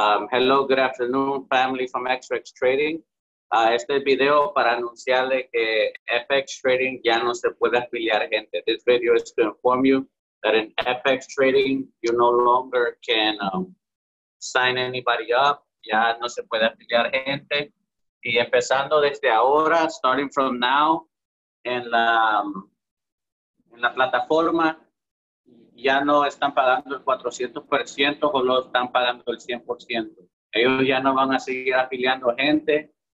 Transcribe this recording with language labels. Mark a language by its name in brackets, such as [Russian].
[English] Hello, good afternoon, family from FX Trading. [Spanish] Este video para anunciarle que FX Trading ya no se puede afiliar gente. [English] This video is to inform you that in FX Trading, you no longer can sign anybody up. [Spanish] Ya no se puede afiliar gente. Y empezando desde ahora, [English] starting from now, [Spanish] en la plataforma, ya no están pagando el 400% o no están pagando el 100%. Ellos ya no van a seguir afiliando gente.